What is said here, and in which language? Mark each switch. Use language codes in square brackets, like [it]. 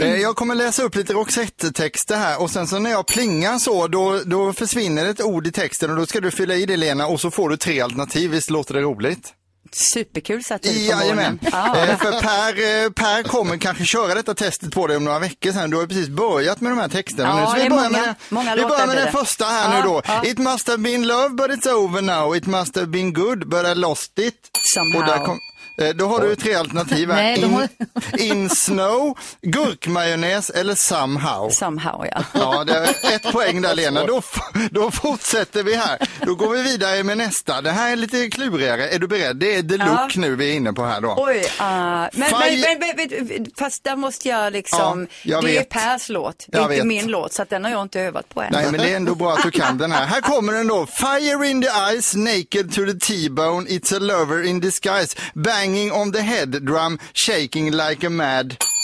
[sv] Jag kommer läsa upp lite Roxette-texter här och sen så när jag plingar så då försvinner ett ord i texten och då ska du fylla i det, Lena, och så får du tre alternativ. Visst låter det roligt? Superkul så att du får morgonen. För Per kommer kanske köra detta testet på dig om några veckor sedan. Du har ju precis börjat med de här texterna. Ja, nu. Så vi börjar många, med, vi börjar med den första här nu då. [en] It must have been love but it's over now. It must have been good but I lost it. [sv] Somehow. Och där då har du tre alternativ här. In snow, gurkmajonnäs eller somehow. Somehow, ja. Ja, det är ett poäng där, Lena. Då fortsätter vi här. Då går vi vidare med nästa. Det här är lite klurigare. Är du beredd? Det är The Look nu vi är inne på här då. Oj, fast där måste jag liksom... Ja, det är Pers låt, det är inte min låt. Så att den har jag inte övat på än. Nej, men det är ändå bra att du kan den här. Här kommer den då. [en] Fire in the eyes, naked to the T-bone, it's a lover in disguise. Banging on the head drum, shaking like a mad.